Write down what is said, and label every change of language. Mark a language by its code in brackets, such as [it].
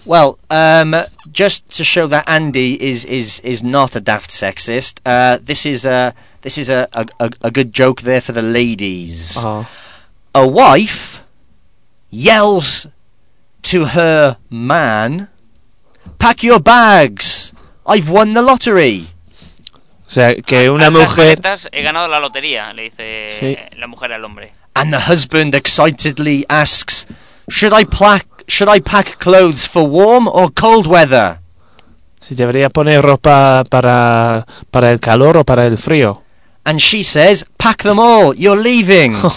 [en] Well, just to show that Andy is not a daft sexist, this is a good joke there for the ladies. Uh-huh. A wife yells to her man, "Pack your bags. I've won the lottery." [es] O sea, que una mujer... He ganado la lotería, le dice la mujer al hombre. [en] And the husband excitedly asks, should I pack clothes for warm or cold weather? [es] Si debería poner ropa para el calor o para el frío. [en] And she says, pack them all, you're leaving.